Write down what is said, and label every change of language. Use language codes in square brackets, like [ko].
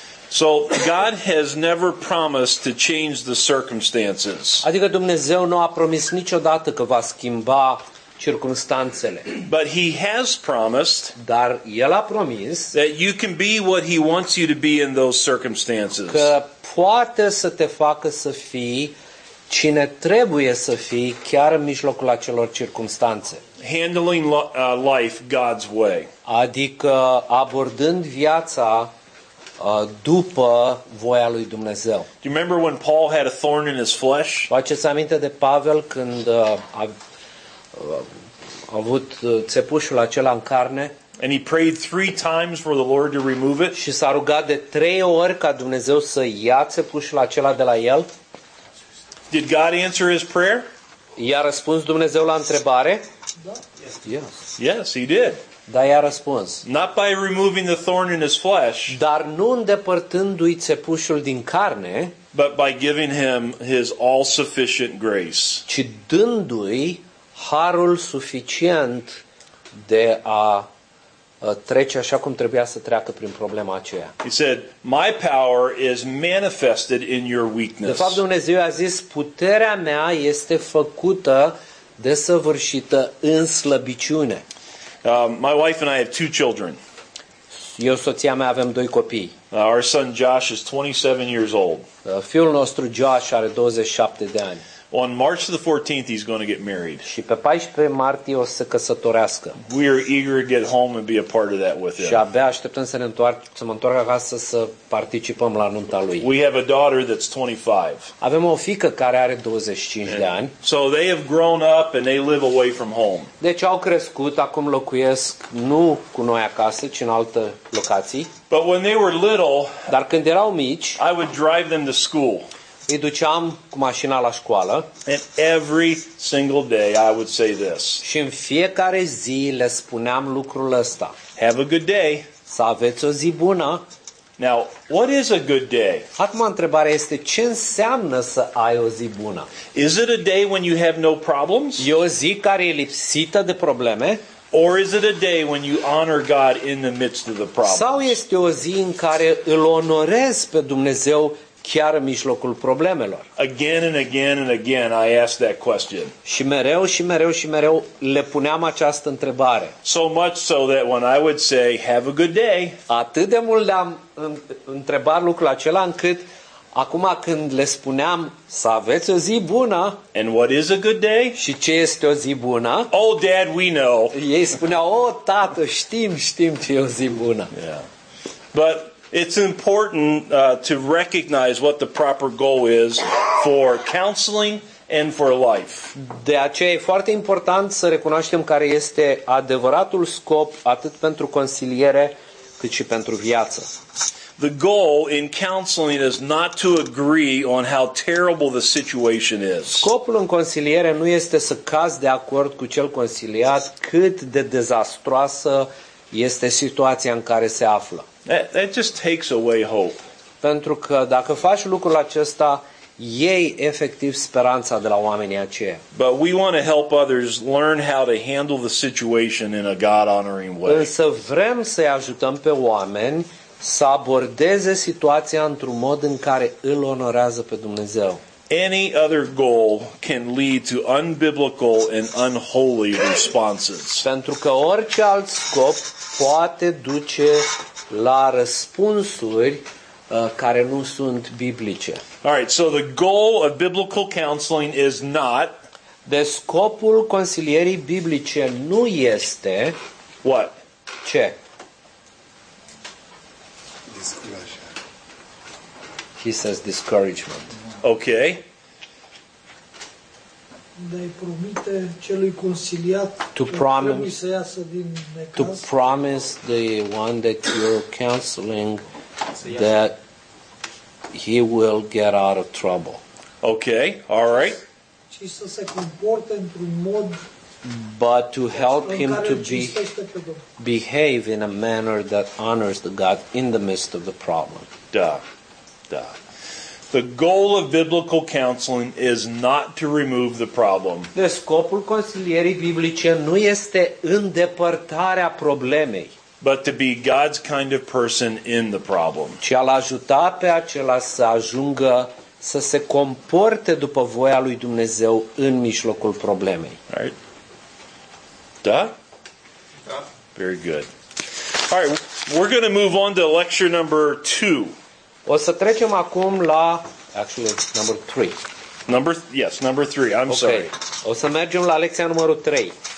[en] So God has never promised to change the circumstances. [ro] Adică Dumnezeu nu a promis niciodată că va schimba circumstanțele. [en] But he has promised, [ro] dar el a promis, [en] that you can be what he wants you to be in those circumstances. [ro] Că poate să te facă să fii cine trebuie să fii chiar în mijlocul acelor circumstanțe. [en] Handling life God's way. [ro] Adică abordând viața după voia lui Dumnezeu. [en] Do you remember when Paul had a thorn in his flesh? [ro] Faceți aminte de Pavel când a avut țepușul acela în carne? [en] And he prayed three times for the Lord to remove it. [ro] Și s-a rugat de trei ori ca Dumnezeu să ia țepușul acela de la el. [en] Did God answer his prayer? [ro] I-a răspuns Dumnezeu la întrebare? Da. [en] Yes, he did. [ro] Dar i-a răspuns. [en] Not by removing the thorn in his flesh. [ro] Dar nu îndepărtându-i țepușul din carne. [en] But by giving him his all-sufficient grace. [ro] Ci dându-i harul suficient de a trece așa cum trebuia să treacă prin problema aceea. [en] He said, "My power is manifested in your weakness." [ro] De fapt, Dumnezeu a zis, puterea mea este făcută desăvârșită în slăbiciune. [en] My wife and I have two children. [ro] Eu, soția mea, avem doi copii. [en] Our son Josh is 27 years old. [ro] Fiul nostru Josh are 27 de ani. [en] On March the 14th he's going to get married. [ro] Și pe 14 martie o să căsătorească. [en] We are eager to get home and be a part of that with him. [ro] Și abia așteptăm să ne întoarcem, să mă întorc acasă să participăm la nunta lui. [en] We have a daughter that's 25. [ro] Avem o fiică care are 25 de ani. [en] So they have grown up and they live away from home. [ro] Deci au crescut, acum locuiesc nu cu noi acasă, ci în altă locație. [en] But when they were little, [ro] dar când erau mici, [en] I would drive them to school. [ro] îi duceam cu mașina la școală. [en] And every single day I would say this. [ro] Și în fiecare zi le spuneam lucrul ăsta. [en] Have a good day. [ro] Să aveți o zi bună. [en] Now, what is a good day? [ro] Acum întrebarea este ce înseamnă să ai o zi bună? [en] Is it a day when you have no problems? [ro] E o zi care e lipsită de probleme? [en] Or is it a day when you honor God in the midst of the problems? [ro] Sau este o zi în care îl onorez pe Dumnezeu chiar în mijlocul problemelor? [en] Again and again and again I asked that question. [ro] Și mereu și mereu și mereu le puneam această întrebare. [en] So much so that when I would say have a good day, [ro] atât de mult le-am întrebat lucrul acela încât acum când le spuneam să aveți o zi bună. [en] And what is a good day? [ro] Și ce este o zi bună? [en] Oh dad, we know. [ro] Ei spuneau, oh tată, știm, știm ce e o zi bună. [en] Yeah. But it's important to recognize what the proper goal is for counseling and for life. [ro] De aceea e foarte important să recunoaștem care este adevăratul scop atât pentru consiliere cât și pentru viață. [en] The goal in counseling is not to agree on how terrible the situation is. [ro] Scopul în consiliere nu este să cazi de acord cu cel consiliat cât de dezastroasă este situația în care se află. [en] That just takes away hope. [ro] Pentru că dacă faci lucrul acesta, iei efectiv speranța de la oamenii aceia. [en] But we want to help others learn how to handle the situation in a God-honoring way. [ro] Însă vrem să-i ajutăm pe oameni să abordeze situația într-un mod în care îl onorează pe Dumnezeu. [en] Any other goal can lead to unbiblical and unholy responses. [ro] Pentru că orice alt scop poate duce la răspunsuri care nu sunt biblice. [en] All right, so the goal of biblical counseling is not, [ro] de scopul consilierii biblice nu este, [en] what? [ro] Ce? [en] He says discouragement. Okay. [ro] De a-i promite celui consiliat [en] to promise, [ro] să iasă din necaz, [en] to promise the one that you're counseling that he will get out of trouble. Okay, all right. [ro] Ci să se comporte într-un mod, [en] but to help him to behave in a manner that honors the God in the midst of the problem. Duh, duh. The goal of biblical counseling is not to remove the problem. [ro] De scopul consilierii biblice nu este îndepărtarea problemei. [en] But to be God's kind of person in the problem. [ro] Ci a-l ajuta pe acela să ajungă să se comporte după voia lui Dumnezeu în mijlocul problemei. [en] All right. Da? [ro] Da. [en] Very good. All right, we're going to move on to lecture number 2. [ro] O să trecem acum la, [en] actually, number 3. Number 3, I'm okay. Sorry. [ro] O să mergem la lecția numărul 3.